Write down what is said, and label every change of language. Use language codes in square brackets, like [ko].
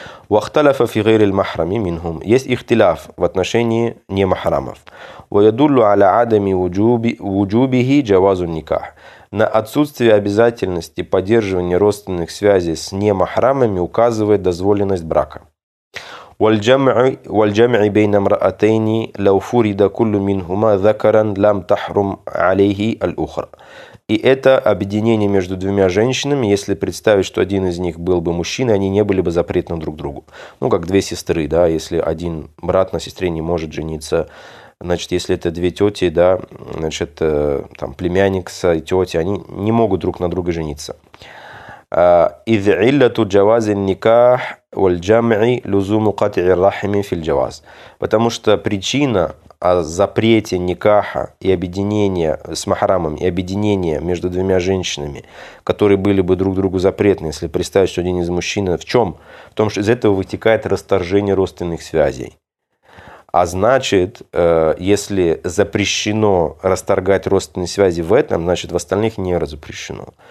[ar] وَاخْتَلَفَ فِي غَيْرِ الْمَحْرَمِ مِنْهُمْ. [ru] Есть ихтиляф в отношении немахрамов. [ar] وَيَدُلُّ عَلَى عَدَمِ وُجُوبِهِ جَوَازُ النِّكَاحِ. [ru] На отсутствие обязательности поддерживания родственных связей с немахрамами указывает дозволенность брака. [ar] والجمع بين امرأتين لو فرد كل منهما ذكرا لم تحرم عليه الأخرى. [ru] И это объединение между двумя женщинами, если представить, что один из них был бы мужчиной, они не были бы запретны друг другу. Ну, как две сестры, да, если один брат на сестре не может жениться, значит, если это две тети, да, значит, там, племянник с тетей, они не могут друг на друга жениться. [ar] إذ علة جواز النكاح والجمع لزوم قطع الرحم في الجواز. [ru] Потому что причина о запрете никаха и объединения с махрамом и объединения между двумя женщинами, которые были бы друг другу запретны, если представить, что один из мужчин, в чем? В том, что из этого вытекает расторжение родственных связей. А значит, если запрещено расторгать родственные связи в этом, значит, в остальных не разрешено.